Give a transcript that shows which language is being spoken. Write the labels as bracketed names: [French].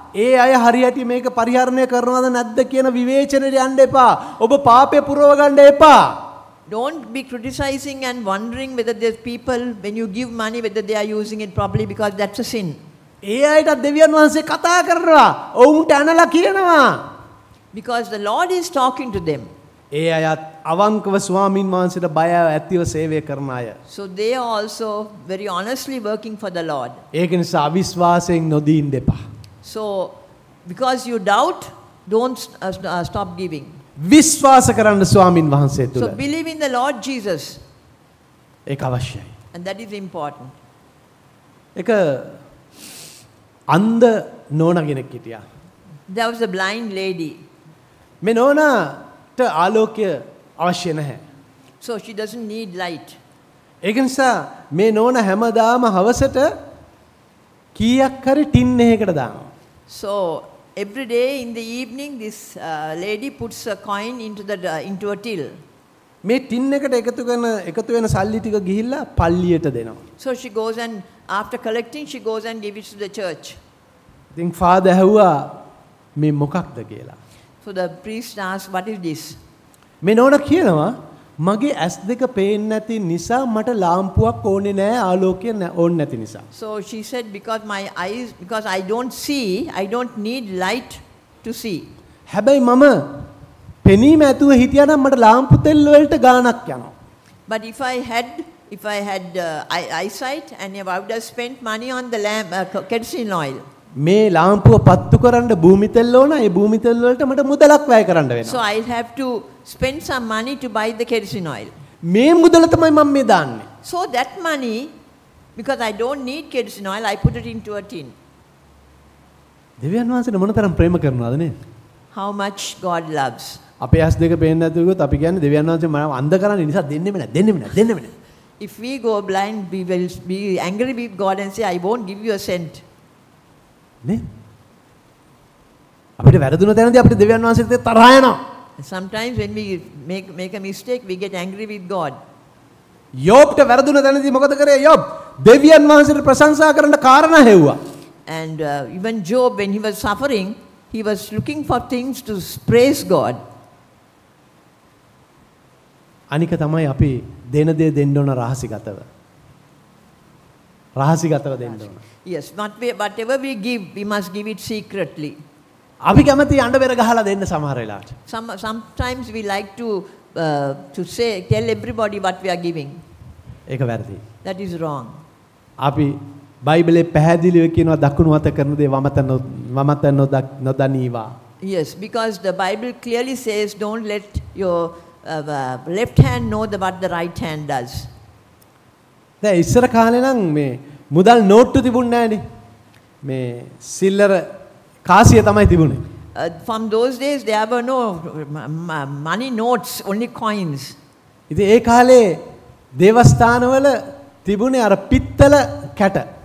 [Sinhala] ඒ අය හරියට මේක පරිහරණය කරනවද නැද්ද කියන විවේචනයට යන්න එපා. ඔබ පාපය පුරව ගන්න එපා. [English] Don't be criticizing and wondering whether these people, when you give money, whether they are using it properly, because that's a sin. [Sinhala] ඒ අයට දෙවියන් වහන්සේ කතා කරනවා. ඔවුන්ට අනලා කියනවා. [English] Because the Lord is talking to them. [Sinhala] ඒ අයත් අවංකව ස්වාමින් වහන්සේට බය ඇතිව සේවය කරන අය. [English] So they are also very honestly working for the Lord. [Sinhala] ඒක නිසා අවිශ්වාසයෙන් නොදී ඉන්න එපා. [English] So because you doubt, don't stop giving. [Sinhala] විශ්වාස කරන්න ස්වාමින් වහන්සේ තුල. [English] So believe in the Lord Jesus. [Sinhala] ඒක අවශ්‍යයි. [English] And that is important. [Sinhala] ඒක අන්ධ නෝනා කෙනෙක් හිටියා. [English] There was a blind lady. [Sinhala] මේ නෝනාට ආලෝකය අවශ්‍ය නැහැ. [English] So she doesn't need light. [Sinhala] ඒක නිසා මේ නෝනා හැමදාම හවසට කීයක් හරි ටින් එකකට දානවා. [English] So every day in the evening this lady puts a coin into a till. [Sinhala] මේ ටින් එකට එකතු වෙන සල්ලි ටික ගිහිල්ලා පල්ලියට දෙනවා. [English] So she goes and after collecting she goes and gives it to the church. Think father [Sinhala] ahwa මේ මොකක්ද කියලා. [English] So the priest asks, what is this? [Sinhala] මේ නෝනා කියනවා මගේ ඇස් දෙක පේන්නේ නැති නිසා මට ලාම්පුවක් ඕනේ නැහැ ආලෝකය ඕනේ නැති නිසා. [English] So she said because I don't need light to see. [Sinhala] හැබැයි මම පෙනීම ඇතුව හිටියනම් මට ලාම්පු තෙල් වලට ගාණක් යනවා. [English] But if I had eyesight and if I would have spent money on the kerosene oil. [Sinhala] මේ ලාම්පුව පත්තු කරන්න භූමි තෙල් ඕන. ඒ භූමි තෙල් වලට මට මුදලක් වැය කරන්න වෙනවා. [English] So I'll have to spend some money to buy the kerosene oil. [Sinhala] මේ මුදල තමයි මම මේ දාන්නේ. [English] So that money, because I don't need kerosene oil, I put it into a tin. [Sinhala] දෙවියන් වහන්සේ මොනතරම් ප්‍රේම කරනවද නේ? [English] How much God loves. [Sinhala] අපේ ඇස් දෙක පේන්නේ නැතුව ගියොත් අපි කියන්නේ දෙවියන් වහන්සේ මම අන්ධ කරන්න නිසා දෙන්නෙම නැ. [English] If we go blind, we will be angry with God and say, I won't give you a cent. [Sinhala] නේ අපිට වැරදුන තැනදී අපිට දෙවියන් වහන්සේට තරහ යනවා. [English] Sometimes when we make a mistake, we get angry with God. [Sinhala] යොබ්ට වැරදුන තැනදී මොකද කරේ යොබ්? දෙවියන් වහන්සේට ප්‍රශංසා කරන්න කාරණා හෙව්වා. [English] And even Job, when he was suffering, he was looking for things to praise God. [Sinhala] අනික තමයි අපි දෙන දේ දෙන්න ඕන රහසිගතව. රහසිගතව දෙන්න ඕන. [English] Yes, whatever we give, we must give it secretly. [Sinhala] අපි කැමති අඬවැර ගහලා දෙන්න සමහර වෙලාවට. [English] Sometimes we like to tell everybody what we are giving. [Sinhala] ඒක වැරදි. [English] That is wrong. [Sinhala] අපි බයිබලේ පැහැදිලිව කියනවා දකුණු අත කරන දේ වමත නොදනීවා. [English] Yes, because the Bible clearly says don't let your left hand know what the right hand does. [Sinhala] දැන් ඉස්සර කාලේ නම් මේ මුදල් නෝට්ටු තිබුණේ නැහනේ. මේ සිල්ලර කාසිය තමයි තිබුණේ. [English] From those days there were no money notes, only coins. [Sinhala] ඉතින් ඒ කාලේ දේවස්ථානවල තිබුණේ අර පිත්තල කැට.